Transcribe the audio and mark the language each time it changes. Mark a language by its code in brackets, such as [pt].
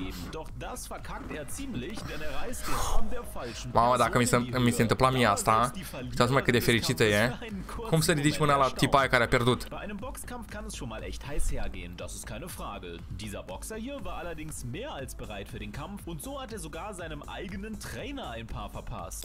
[de] Doch das verkackt ziemlich, denn reißt den Arm der falschen. [ro] Mama, dacă mi se întâmpla mie asta, uitați mai cât de fericită e. Cum să ridici mâna la tipa aia care a pierdut? [de] Bei einem Boxkampf kann es schon mal echt heiß hergehen, das ist keine Frage. Dieser Boxer hier war allerdings mehr als bereit für den Kampf und so hat sogar seinem eigenen Trainer ein paar verpasst.